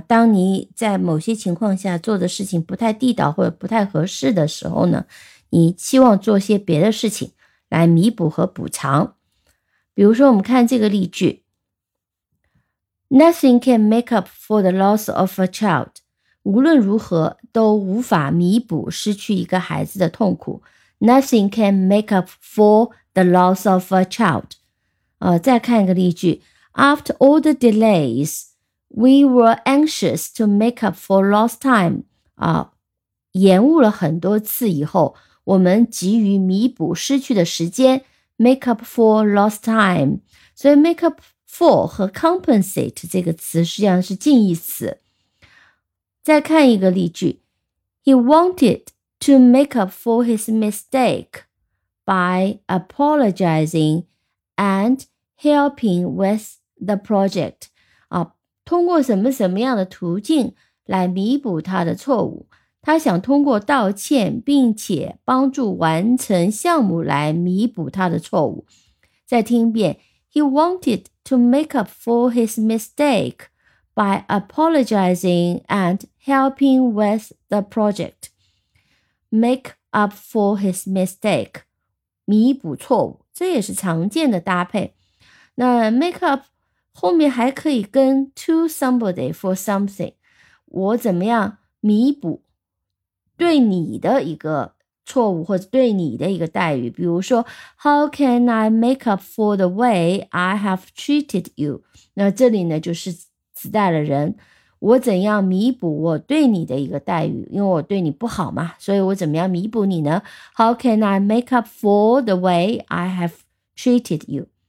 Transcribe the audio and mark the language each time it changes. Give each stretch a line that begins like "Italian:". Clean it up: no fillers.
Chinese: 当你在某些情况下做的事情不太地道或者不太合适的时候呢，你希望做些别的事情来弥补和补偿。比如说我们看这个例句
English: Nothing can make up for the loss of a child.
Chinese: 无论如何都无法弥补失去一个孩子的痛苦。
English: Nothing can make up for the loss of a child.
Chinese: 再看一个例句。
English: After all the delays, we were anxious to make up for lost time.
Chinese: 延误了很多次以后，我们急于弥补失去的时间。
English: Make up for lost time.
Chinese: 所以 make up for 和 compensate 这个词实际上是近义词。再看一个例句。
English: He wanted to make up for his mistake. By apologizing and helping with the project.
Chinese: 通过什么什么样的途径来弥补他的错误。他想通过道歉并且帮助完成项目来弥补他的错误。再听一遍，
English: He wanted to make up for his mistake by apologizing and helping with the project. Make up for his mistake，
Chinese: 弥补错误，这也是常见的搭配。那 make up 后面还可以跟
English: to somebody for something，
Chinese: 我怎么样弥补对你的一个错误或者对你的一个待遇。比如说
English: How can I make up for the way I have treated you？
Chinese: 那这里呢就是指代了人，我怎样弥补我对你的一个待遇，因为我对你不好嘛，所以我怎么样弥补你呢？
English: How can I make up for the way I have treated you？